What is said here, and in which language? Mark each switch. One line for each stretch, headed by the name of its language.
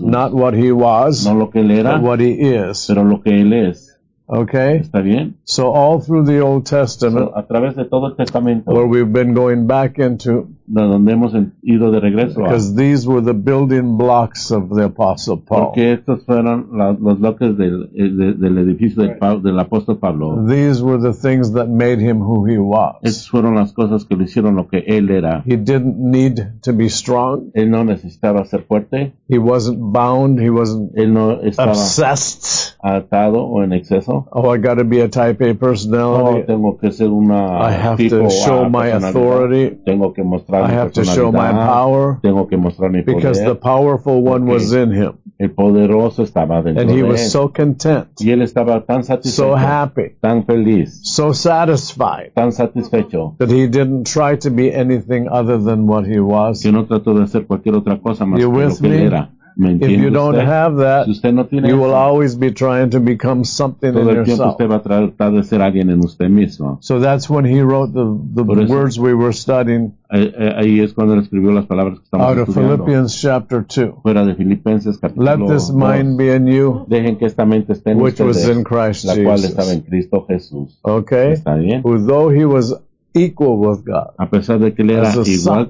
English: not what he was,
Spanish: no lo que él era,
English: but what he is,
Spanish: pero lo que él es.
English: Okay.
Spanish: ¿Está bien?
English: So all through the Old Testament,
Spanish: so, a través de todo el Testamento,
English: where we've been going back into,
Spanish: donde hemos ido de regreso,
English: because these were the building blocks of the Apostle Paul.
Spanish: Porque estos fueron los bloques del edificio right del apóstol Pablo.
English: These were the things that made him who he was.
Spanish: Estas fueron las cosas que le hicieron lo que él era.
English: He didn't need to be strong.
Spanish: Él no necesitaba ser fuerte.
English: He wasn't bound. He wasn't
Spanish: él no estaba
English: obsessed,
Spanish: atado o en exceso.
English: Oh, I got to be a type A personality.
Spanish: Oh, tengo que ser una
English: I have to show my authority.
Spanish: Tengo que
English: I have to show my power
Spanish: tengo que mostrar mi
English: because
Spanish: poder
English: the powerful one okay was in him.
Spanish: El poderoso estaba dentro
English: and he
Spanish: de él
English: was so content,
Spanish: y él estaba tan satisfecho,
English: so happy,
Spanish: tan feliz,
English: so satisfied,
Spanish: tan satisfecho,
English: that he didn't try to be anything other than what he was.
Spanish: Que no trató de hacer cualquier otra cosa más
English: you
Spanish: que
English: with
Spanish: lo que
English: me
Spanish: él era.
English: If you don't have that, you will always be trying to become something in yourself.
Spanish: Usted va a tratar de ser alguien en usted mismo.
English: So that's when he wrote the words we were studying.
Spanish: Ahí es cuando él escribió las palabras que estamos estudiando.
English: Out of Philippians chapter 2.
Spanish: Fuera de Filipenses capítulo 2.
English: Let this mind be in you.
Spanish: Dejen que esta mente esté en
English: which
Spanish: ustedes,
English: was in Christ
Spanish: la cual
English: Jesus.
Spanish: Estaba en Cristo Jesús.
English: Okay.
Spanish: Está bien.
English: Who though he was equal with God.
Spanish: A pesar de que él era igual son.